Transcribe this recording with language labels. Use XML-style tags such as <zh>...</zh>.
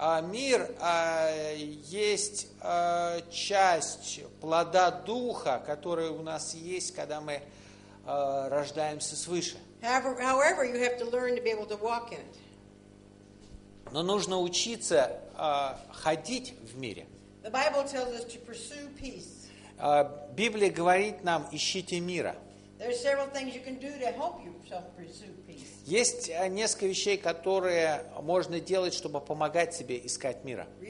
<ru>Мир есть часть плода Духа, который у нас есть, когда мы рождаемся свыше. Но нужно учиться ходить в мире.</ru> <en>The Bible tells us to pursue peace.</en> <ru>Библия говорит нам, ищите мира. Есть несколько вещей, которые можно делать, чтобы помогать себе искать мира.</ru>